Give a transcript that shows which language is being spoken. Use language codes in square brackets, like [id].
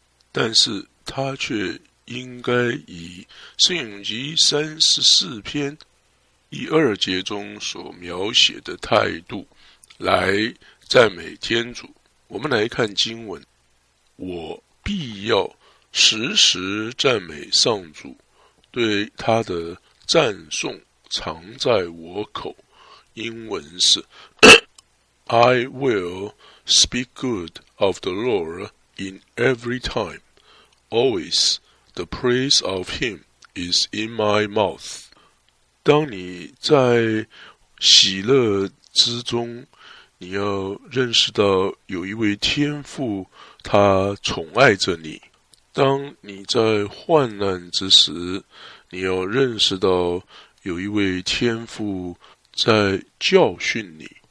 [zh] 但是他却应该以圣咏集三十四篇第二节中所描写的态度来赞美天主。我们来看经文，我必要时时赞美上主，对他的赞颂常在我口。英文是 [en] I will speak good of the Lord in every time. Always the praise of Him is in my mouth. [zh] 当你在喜乐之中，你要认识到有一位天父，他宠爱着你。当你在患难之时，你要认识到有一位天父在教训你。